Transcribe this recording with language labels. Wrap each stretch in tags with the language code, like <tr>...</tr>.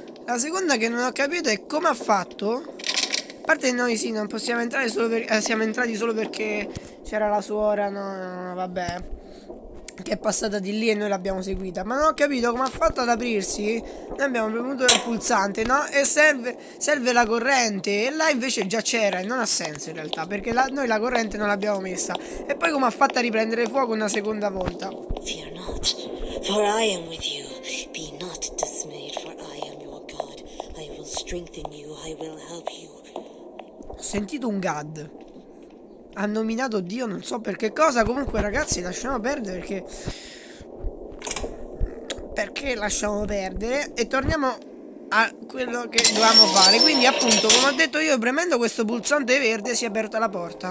<it>La seconda che non ho capito è come ha fatto. A parte noi sì, non possiamo entrare solo perché siamo entrati solo perché c'era la suora, no, vabbè, che è passata di lì e noi l'abbiamo seguita. Ma non ho capito come ha fatto ad aprirsi. Noi abbiamo premuto il pulsante, no? E serve la corrente. E là invece già c'era e non ha senso in realtà, perché là, noi la corrente non l'abbiamo messa. E poi come ha fatto a riprendere fuoco una seconda volta?</it> <en>Fear not, for I am with you. Be not dismayed, for I am your God. I will strengthen you, I will help you.</en> <it>Sentito un God. Ha nominato Dio, non so per che cosa. Comunque, ragazzi, lasciamo perdere perché. Perché lasciamo perdere? E torniamo a quello che dovevamo fare. Quindi, appunto, come ho detto io, premendo questo pulsante verde si è aperta la porta.</it>